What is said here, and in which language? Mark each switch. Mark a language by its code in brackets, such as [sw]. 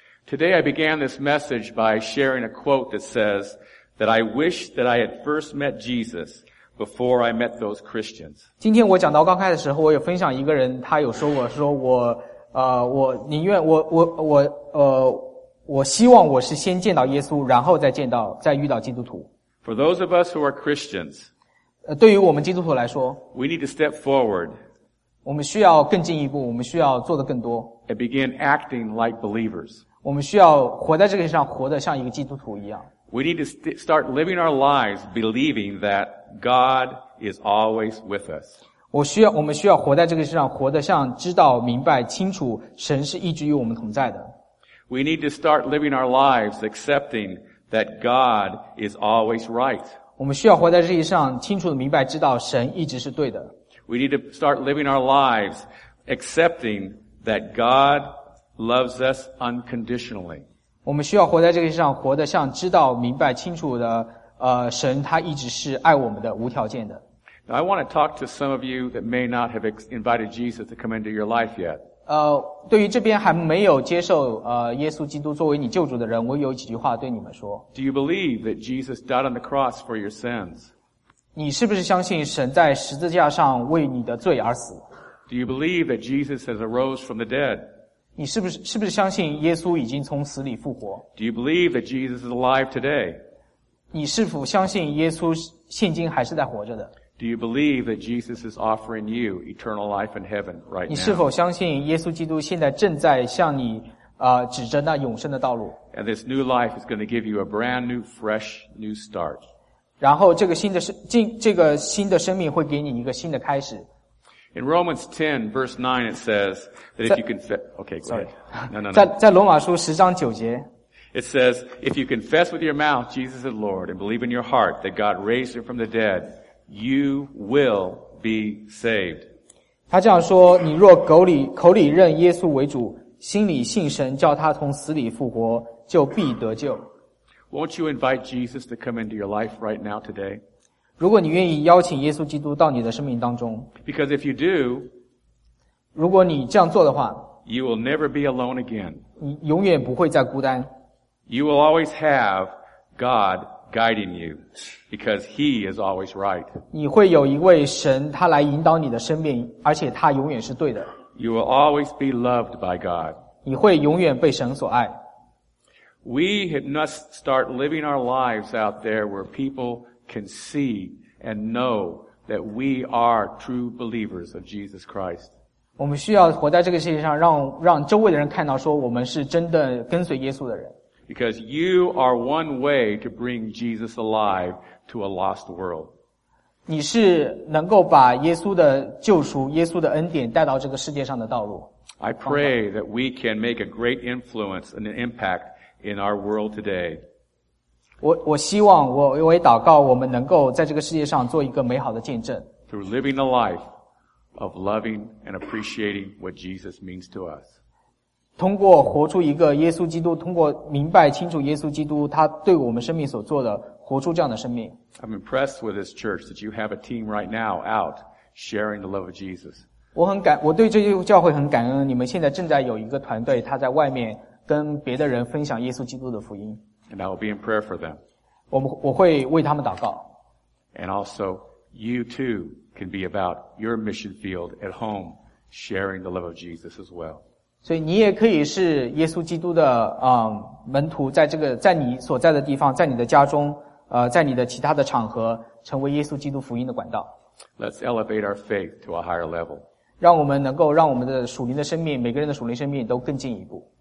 [en] Today I began this message by sharing a quote that says that I wish that I had first met Jesus before I met those Christians. [zh] 今天我讲到刚开始的时候，我有分享一个人，他有说过，说我宁愿我希望我是先见到耶稣，然后再遇到基督徒。 [en] For those of us who are Christians, [zh] 对于我们基督徒来说， [en] we need to step forward. [zh] 我们需要更进一步，我们需要做得更多。 [en] And begin acting like believers. [zh] 我们需要活在这个世上，活得像一个基督徒一样。 [en] We need to start living our lives believing that God is always with us. [zh] 我们需要活在这个世上，活得像知道、明白、清楚，神是一直与我们同在的。 [en] We need to start living our lives accepting that God is always right. [zh] 我们需要活在这个世上，清楚的明白知道神一直是对的。 [en] We need to start living our lives accepting that God. Loves us unconditionally. [zh] 我们需要活在这个世上，活得像知道、明白、清楚的，神他一直是爱我们的，无条件的。 [en] Now, I want to talk to some of you that may not have invited Jesus to come into your life yet. [zh] 对于这边还没有接受耶稣基督作为你救主的人，我有几句话对你们说。 [en] Do you believe that Jesus died on the cross for your sins? [zh] 你是不是相信神在十字架上为你的罪而死？ [en] Do you believe that Jesus has arose from the dead? [zh] 你是不是相信耶稣已经从死里复活？ [en] Do you believe that Jesus is alive today? [zh] 你是否相信耶稣现今还是在活着的？ [en] Do you believe that Jesus is offering you eternal life in heaven right now? [zh] 你是否相信耶稣基督现在正在向你指着那永生的道路？ [en] And this new life is going to give you a brand new, fresh, new start. [zh] 然后这个新的生命会给你一个新的开始。 [en] In Romans 10, verse 9, it says that if you confess... Okay, go Sorry. ahead. No, no, no. [zh] 在罗马书十章九节 [en] It says, if you confess with your mouth Jesus is Lord and believe in your heart that God raised him from the dead, you will be saved. [zh] 他这样说，你若口里认耶稣为主，心里信神叫他从死里复活，就必得救。 [en] Won't you invite Jesus to come into your life right now today? [zh] 如果你愿意邀请耶稣基督到你的生命当中 [en] Because if you do, [zh] 如果你这样做的话 [en] you will never be alone again. [zh] 你永远不会再孤单 [en] You will always have God guiding you because he is always right. [zh] 你会有一位神他来引导你的生命，而且他永远是对的 [en] You will always be loved by God. [zh] 你会永远被神所爱 [en] We must start living our lives out there where peoplecan see and know that we are true believers of Jesus Christ. [zh] 我们需要活在这个世界上，让周围的人看到说我们是真的跟随耶稣的人。 [en] Because you are one way to bring Jesus alive to a lost world. [zh] 你是能够把耶稣的救赎、耶稣的恩典带到这个世界上的道路。 [en] I pray that we can make a great influence and an impact in our world today. [zh] 我希望我也祷告我们能够在这个世界上做一个美好的见证。 [en] Through living a life of loving and appreciating what Jesus means to us. [zh] 通过活出一个耶稣基督，通过明白清楚耶稣基督他对我们生命所做的，活出这样的生命。 [en] I'm impressed with this church that you have a team right now out sharing the love of Jesus. [zh] 我对这个教会很感恩，你们现在正在有一个团队，他在外面跟别的人分享耶稣基督的福音。 [en] And I will be in prayer for them. [zh] 我会为他们祷告。 [en] And also, you too can be about your mission field at home, sharing the love of Jesus as well. [zh] 所以你也可以是耶稣基督的门徒，在你所在的地方，在你的家中，在你的其他的场合，成为耶稣基督福音的管道。 [en] Let's elevate our faith to a higher level. [zh] 让我们能够让我们的属灵的生命，每个人的属灵生命都更进一步。